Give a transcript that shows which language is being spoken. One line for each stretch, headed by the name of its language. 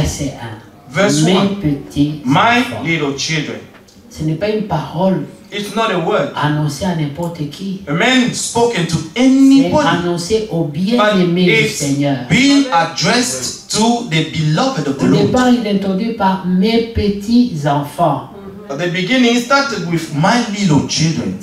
French: Verset 1.
English: Verse
French: Mes
English: one.
French: Petits
English: My
French: enfants.
English: Little children.
French: Ce n'est pas une parole
English: It's not a word.
French: Annoncée à n'importe qui.
English: Amen. Spoken to anybody.
French: C'est annoncé au bien-aimé du Seigneur.
English: Being addressed to the beloved of the Lord.
French: Au départ, il est introduit par mes petits enfants.
English: At the beginning, it started with my little children.